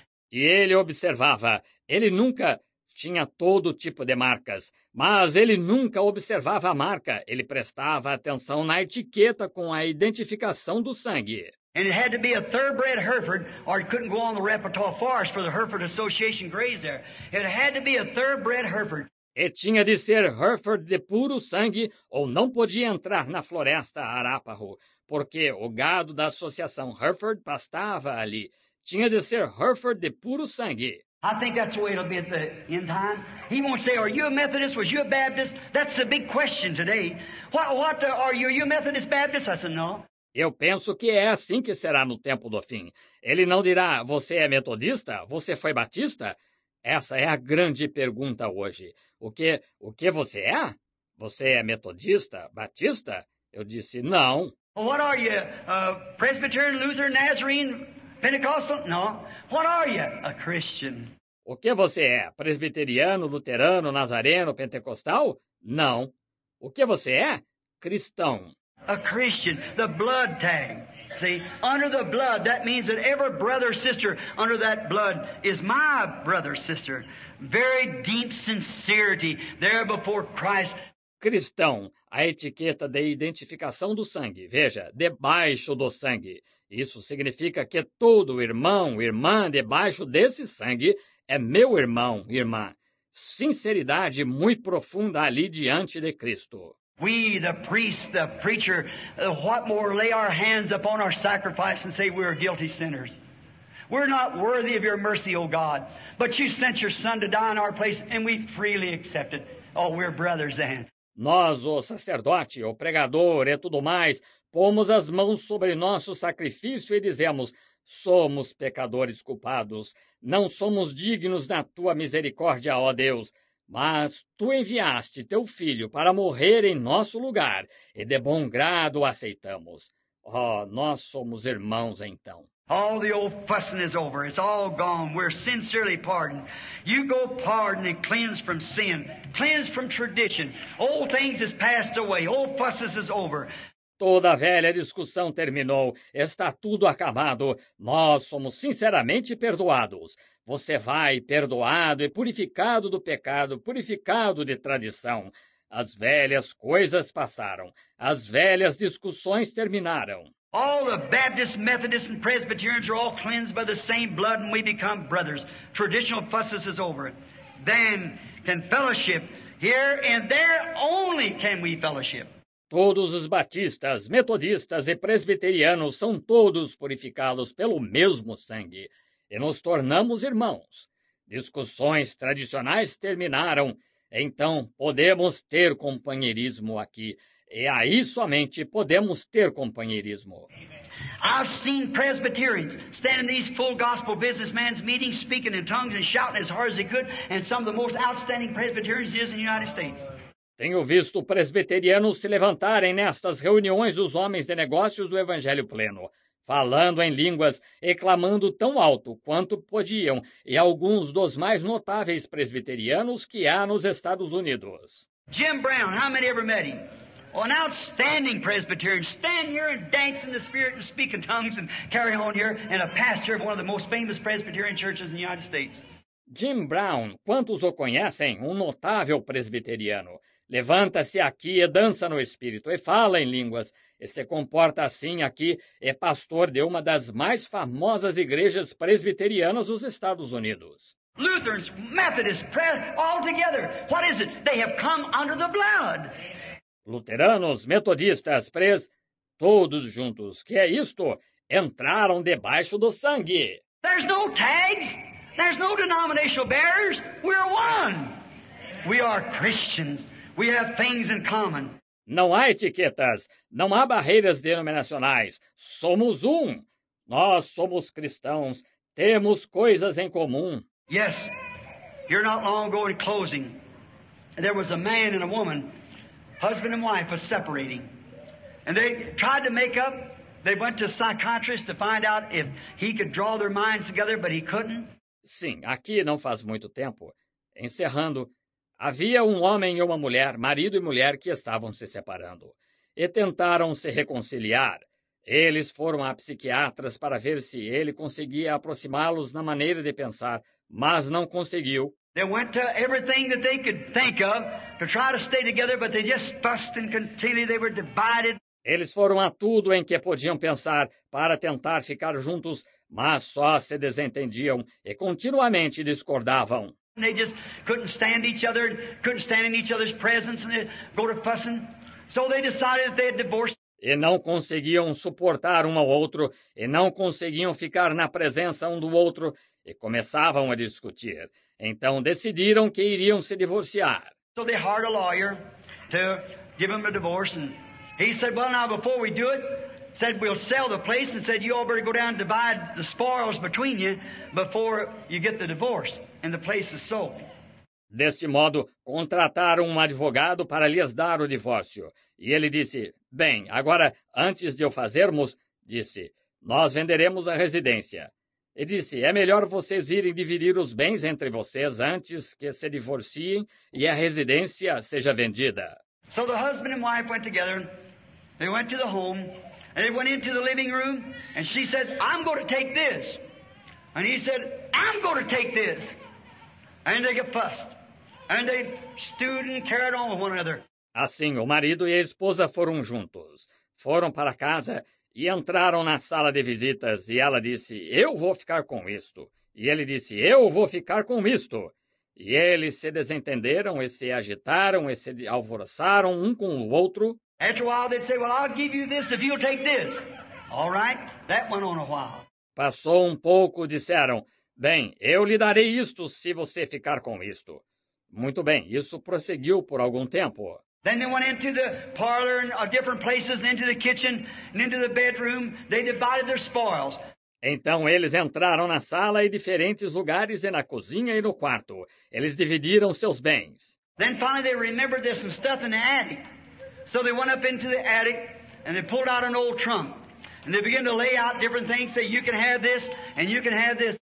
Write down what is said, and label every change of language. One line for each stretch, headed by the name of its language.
Portuguese: E ele observava. Ele nunca tinha todo tipo de marcas, mas ele nunca observava a marca. Ele prestava atenção na etiqueta com a identificação do sangue.
English: And it had to be a thoroughbred Hereford, or it couldn't go on the Repertoire Forest for the Hereford Association graze there. It had to be a thoroughbred Hereford.
Portuguese: E tinha de ser Hereford de puro sangue, ou não podia entrar na floresta Arapaho, porque o gado da Associação Hereford pastava ali. Tinha de ser Hereford de puro sangue.
English: I think that's the way it'll be at the end time. He won't say, are you a Methodist? Was you a Baptist? That's the big question today. Are you a Methodist Baptist? I said, no.
Portuguese: Eu penso que é assim que será no tempo do fim. Ele não dirá, você é metodista? Você foi batista? Essa é a grande pergunta hoje. O que você é? Você é metodista? Batista? Eu disse, não.
English: What are you? Presbyterian, Lutheran, Nazarene? Pentecostal? No. What are you? A Christian.
Portuguese: O que você é? Presbiteriano, luterano, nazareno, pentecostal? Não. O que você é? Cristão.
English: A Christian, the blood tag. See, under the blood, that means that every brother or sister under that blood is my brother or sister. Very deep sincerity there before Christ.
Portuguese: Cristão, a etiqueta de identificação do sangue. Veja, debaixo do sangue. Isso significa que todo irmão, irmã, debaixo desse sangue, é meu irmão, irmã. Sinceridade muito profunda ali diante de Cristo.
English: We, the priest, the preacher, what more, lay our hands upon our sacrifice and say we are guilty sinners. We're not worthy of your mercy, O God, but you sent your son to die in our place and we freely accept it. Oh, we're brothers then.
Portuguese: Nós, o sacerdote, o pregador e tudo mais, pomos as mãos sobre nosso sacrifício e dizemos, somos pecadores culpados, não somos dignos da tua misericórdia, ó Deus, mas tu enviaste teu filho para morrer em nosso lugar, e de bom grado aceitamos. Ó, nós somos irmãos então.
English: All the old fussing is over, it's all gone, we're sincerely pardoned. You go pardon and cleanse from sin, cleanse from tradition. Old things is passed away, old fusses is over.
Portuguese: Toda a velha discussão terminou, está tudo acabado, nós somos sinceramente perdoados. Você vai perdoado e purificado do pecado, purificado de tradição. As velhas coisas passaram, as velhas discussões terminaram.
English: All the Baptists, Methodists, and Presbyterians are all cleansed by the same blood and we become brothers. Traditional fusses is over. Then can fellowship here and there only can we fellowship.
Portuguese: Todos os batistas, metodistas e presbiterianos são todos purificados pelo mesmo sangue e nos tornamos irmãos. Discussões tradicionais terminaram, então podemos ter companheirismo aqui. E aí somente podemos ter companheirismo.
English: I've seen Presbyterians stand in these full gospel businessmen's meetings speaking in tongues and shouting as hard as they could, and some of the most outstanding Presbyterians is in the United States.
Portuguese: Tenho visto presbiterianos se levantarem nestas reuniões dos homens de negócios do Evangelho Pleno, falando em línguas e clamando tão alto quanto podiam, e alguns dos mais notáveis presbiterianos que há nos Estados Unidos.
English: Jim Brown, how many ever met him? An outstanding Presbyterian, stand here and dance in the Spirit and speak in tongues and carry on here, and a pastor of one of the most famous Presbyterian churches in the United States.
Portuguese: Jim Brown, quantos o conhecem? Um notável presbiteriano. Levanta-se aqui e dança no Espírito, e fala em línguas, e se comporta assim aqui, é pastor de uma das mais famosas igrejas presbiterianas dos Estados Unidos.
English: Lutherans, Methodists, all together, what is it? They have come under the blood.
Portuguese: Luteranos, metodistas, todos juntos, que é isto? Entraram debaixo do sangue.
English: There's no tags, there's no denominational barriers, we're one. We are Christians, we have things in common.
Portuguese: Não há etiquetas, não há barreiras denominacionais, somos um. Nós somos cristãos, temos coisas em comum.
English: Yes, you're not long ago in closing, there was a man and a woman. Husband and wife are separating. And they tried to make up. They went to a psychiatrist to find out if he could draw their minds together, but he couldn't.
Portuguese: Sim, aqui não faz muito tempo. Encerrando, havia um homem e uma mulher, marido e mulher, que estavam se separando. E tentaram se reconciliar. Eles foram a psiquiatras para ver se ele conseguia aproximá-los na maneira de pensar, mas não conseguiu.
English: They went to everything that they could think of to try to stay together, but they just fussed and continually they were divided.
Portuguese: Eles foram a tudo em que podiam pensar para tentar ficar juntos, mas só se desentendiam e continuamente discordavam.
English: And they just couldn't stand each other, couldn't stand in each other's presence, and they'd go to fussing. So they decided that they had divorced.
Portuguese: E não conseguiam suportar um ao outro, e não conseguiam ficar na presença um do outro, e começavam a discutir. Então decidiram que iriam se divorciar.
English: So they hired a lawyer to give him a divorce, and he said, well, now before we do it, said we'll sell the place, and said you all better go down and divide the spoils between you before you get the divorce, and the place is sold.
Portuguese: Deste modo, contrataram um advogado para lhes dar o divórcio. E ele disse, bem, agora, antes de o fazermos, disse, nós venderemos a residência. E disse: é melhor vocês irem dividir os bens entre vocês antes que se divorciem e a residência seja vendida.
English: So the husband and wife went together. They went to the home and they went into the living room and she said, I'm going to take this. And he said, I'm going to take this. And they got fussed. And they stewed and carried on with one another.
Portuguese: Assim, o marido e a esposa foram juntos. Foram para casa e entraram na sala de visitas e ela disse, eu vou ficar com isto. E ele disse, eu vou ficar com isto. E eles se desentenderam e se agitaram e se alvoroçaram um com o outro.
English: After a while they'd say, well, I'll give you this if you'll take this. All right, that went on a while.
Portuguese: Passou um pouco, disseram, bem, eu lhe darei isto se você ficar com isto. Muito bem, isso prosseguiu por algum tempo.
English: Then they went into the parlor and different places and into the kitchen and into the bedroom. They divided their spoils.
Portuguese: Então eles entraram na sala e diferentes lugares e na cozinha e no quarto. Eles dividiram seus bens.
English: Then finally they remembered there's some stuff in the attic. So they went up into the attic and they pulled out an old trunk. And they began to lay out different things, say you can have this and you can have this.